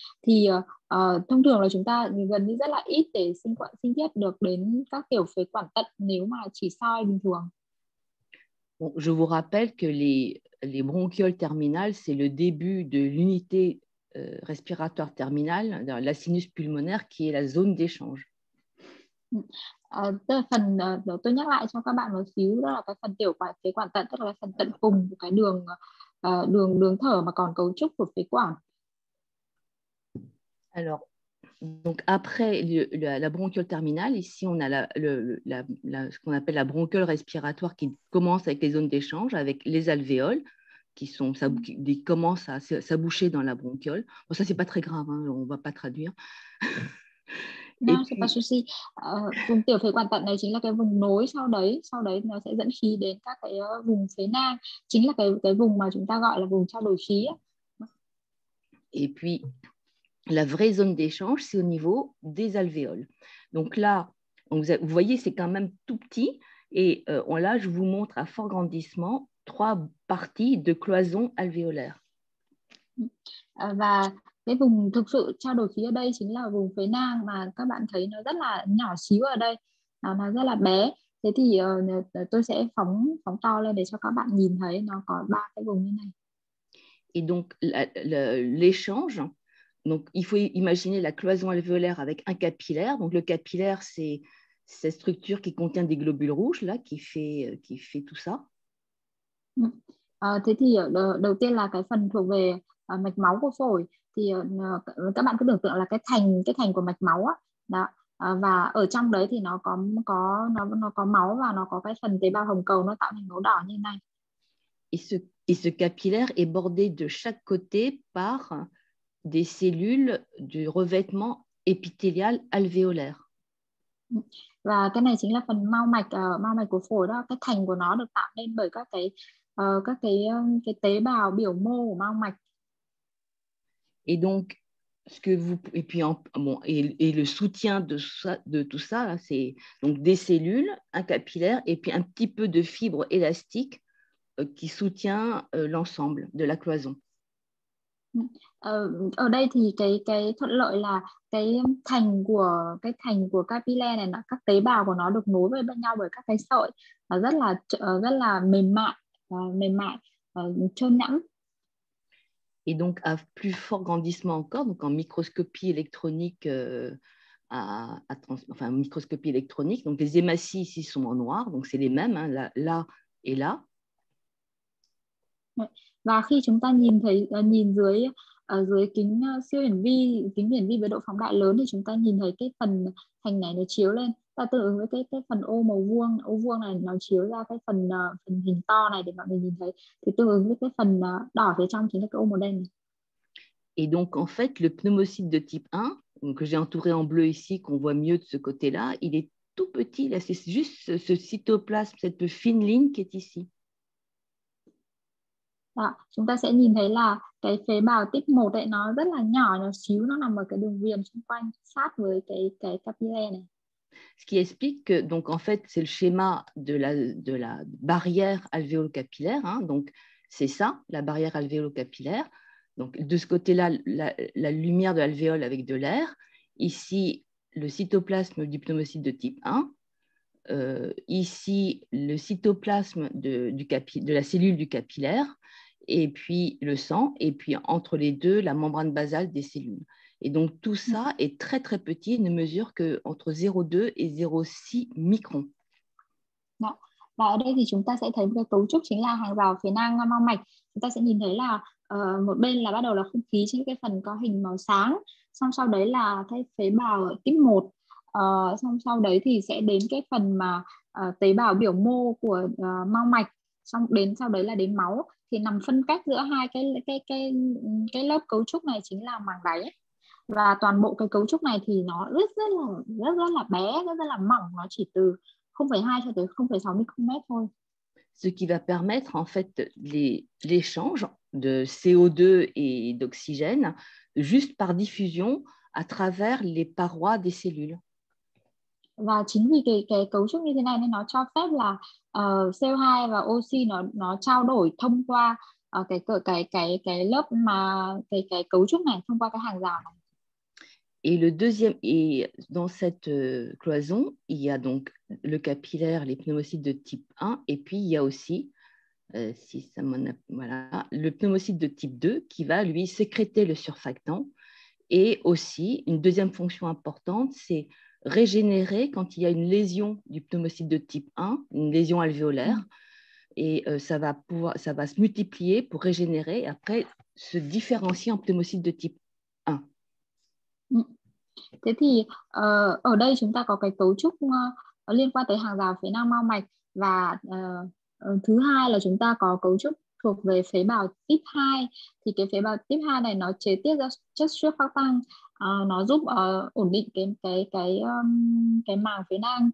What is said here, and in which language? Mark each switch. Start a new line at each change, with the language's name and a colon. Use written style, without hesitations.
Vietnamese: Thì thông thường là chúng ta gần như rất là ít để sinh thiết được đến các tiểu phế quản tận nếu mà chỉ soi bình thường.
French: Bon, je vous rappelle que les bronchioles terminales, c'est le début de l'unité respiratoire terminale, dans la sinus pulmonaire, qui est la zone d'échange.
Vietnamese: Phần tôi nhắc lại cho các bạn một xíu, đó là cái phần tiểu quản phế quản tận, tức là phần tận cùng của cái đường đường đường thở mà còn cấu trúc của phế quản.
French: Alors, donc après la bronchiole terminale, ici on a ce qu'on appelle la bronchiole respiratoire qui commence avec les zones d'échange, avec les alvéoles qui commencent à s'aboucher dans la bronchiole. Bon, ça, ce n'est pas très grave, hein, on ne va pas traduire. Et Non, c'est pas puis. souci.
Vietnamese: Vùng tiểu phế quản tạm này chính là cái vùng nối sau đấy nó sẽ dẫn khí đến các cái vùng phế nang, chính là cái vùng mà chúng ta gọi là vùng trao đổi khí á.
French: Et puis, la vraie zone d'échange, c'est au niveau des alvéoles. Donc là, vous voyez, c'est quand même tout petit. Et là, je vous montre à fort grandissement trois parties de cloison alvéolaire.
Vietnamese: Và cái vùng thực sự trao đổi khí ở đây chính là vùng phế nang, mà các bạn thấy nó rất là nhỏ xíu ở đây, nó rất là bé. Thế thì tôi sẽ phóng phóng to lên để cho các bạn nhìn thấy nó có ba cái vùng như này.
French: Et donc, l'échange, donc il faut imaginer la cloison alvéolaire avec un capillaire. Donc, le capillaire, c'est cette structure qui contient des globules rouges, là, qui fait tout ça.
Vietnamese: Thế thì đầu tiên là cái phần thuộc về mạch máu của phổi, thì các bạn cứ tưởng tượng là cái thành của mạch máu á, đó. Và ở trong đấy thì nó có máu, và nó có cái phần tế bào hồng cầu nó tạo thành màu đỏ như này.
French: Et ce capillaire est bordé de chaque côté par des cellules du revêtement épithélial alvéolaire.
Vietnamese: Và cái này chính là phần mao mạch của phổi đó, cái thành của nó được tạo nên bởi các cái tế bào biểu mô của mao mạch.
French: Et donc, ce que vous et puis en, bon, et le soutien de tout ça, c'est donc des cellules, un capillaire et puis un petit peu de fibres élastiques qui soutient l'ensemble de la cloison.
Vietnamese: Ở đây thì cái thuận lợi là cái thành của capillaire này, các tế bào của nó được nối với bên nhau bởi các cái sợi, nó rất là mềm mại, trơn nhẵn.
French: Et donc, à plus fort grandissement encore, donc en microscopie électronique, enfin, microscopie électronique, donc les hématies ici sont en noir, donc c'est les mêmes, hein, là et là.
Vietnamese: Và khi chúng ta nhìn dưới kính siêu hiển vi, kính hiển vi với độ phóng đại lớn, thì chúng ta nhìn thấy cái phần thành này nó chiếu lên, ta tương ứng với cái phần ô vuông này, nó chiếu ra cái phần phần hình to này để mọi người nhìn thấy, thì tương ứng với cái phần đỏ phía trong chính là cái ô màu đen này.
French: Et donc, en fait, le pneumocyte de type 1, que j'ai entouré en bleu ici, qu'on voit mieux de ce côté-là, il est tout petit. Là, c'est juste ce cytoplasme, cette fine ligne qui est ici.
Vietnamese: Đó, chúng ta sẽ nhìn thấy là cái phế bào type 1 ấy, nó rất là nhỏ, nó xíu, nó nằm ở cái đường viền xung quanh sát với cái capillaire này.
French: Ce qui explique que, donc, en fait, c'est le schéma de la barrière alvéolo-capillaire. Hein, donc, c'est ça, la barrière alvéolo-capillaire. Donc, de ce côté-là, la lumière de l'alvéole avec de l'air. Ici, le cytoplasme du pneumocyte de type 1. Ici, le cytoplasme de la cellule du capillaire. Et puis, le sang. Et puis, entre les deux, la membrane basale des cellules. Et donc, tout ça est très, très petit. Il ne mesure qu'entre 0,2 et 0,6 microns.
Vietnamese: Và ở đây thì chúng ta sẽ thấy một cái cấu trúc chính là hàng rào phế nang mao mạch. Chúng ta sẽ nhìn thấy là một bên là bắt đầu là không khí trên cái phần có hình màu sáng, xong sau đấy là cái phế bào tiếp 1, xong sau đấy thì sẽ đến cái phần mà tế bào biểu mô của mao mạch, xong đến sau đấy là đến máu, thì nằm phân cách giữa hai cái lớp cấu trúc này chính là màng đáy ấy. Và toàn bộ cái cấu trúc này thì nó rất rất là bé, rất là mỏng, nó chỉ từ 0,2 cho tới 0,6 micromètres thôi.
French: Ce qui va permettre en fait l'échange de CO2 et d'oxygène juste par diffusion à travers les parois des cellules.
Vietnamese: Và chính vì cái cấu trúc như thế này nên nó cho phép là CO2 và oxy nó trao đổi thông qua cái lớp mà cái cấu trúc này, thông qua cái hàng rào này.
French: Et le deuxième, et dans cette cloison, il y a donc le capillaire, les pneumocytes de type 1, et puis il y a aussi, si ça m'en a, voilà, le pneumocyte de type 2 qui va lui sécréter le surfactant. Et aussi, une deuxième fonction importante, c'est régénérer quand il y a une lésion du pneumocyte de type 1, une lésion alvéolaire, et ça va se multiplier pour régénérer et après se différencier en pneumocyte de type 1.
Vietnamese: Thế thì ở đây chúng ta có cái cấu trúc liên quan tới hàng rào phế nang mao mạch, và thứ hai là chúng ta có cấu trúc thuộc về phế bào type 2. Thì cái phế bào type 2 này nó chế tiết ra chất surfactant, nó giúp ổn định cái màng phế nang.